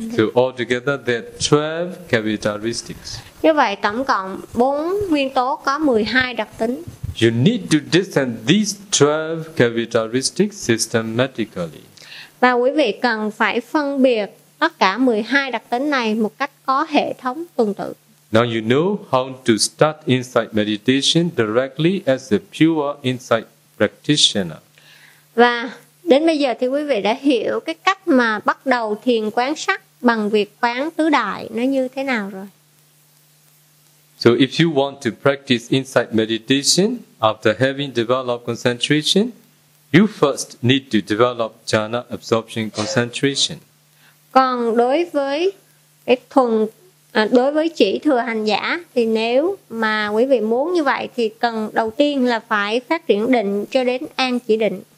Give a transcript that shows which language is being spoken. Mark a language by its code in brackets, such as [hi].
[en] So altogether there are 12 characteristics. [vi] Như vậy tổng cộng 4 nguyên tố có 12 đặc tính. [en] You need to discern these 12 characteristics systematically. [vi] Và quý vị cần phải phân biệt tất cả 12 đặc tính này một cách có hệ thống tuần tự. [en] Now you know how to start insight meditation directly as a pure insight practitioner. [vi] Và đến bây giờ thì quý vị đã hiểu cái cách mà bắt đầu thiền quán sắc bằng việc quán tứ đại nó như thế nào rồi. [en] So if you want to practice insight meditation after having developed concentration, you first need to develop jhana absorption concentration. [vi] Còn đối với cái thuần đối với chỉ thừa hành giả thì nếu mà quý vị muốn như vậy thì cần đầu tiên là phải phát triển định cho đến an chỉ định.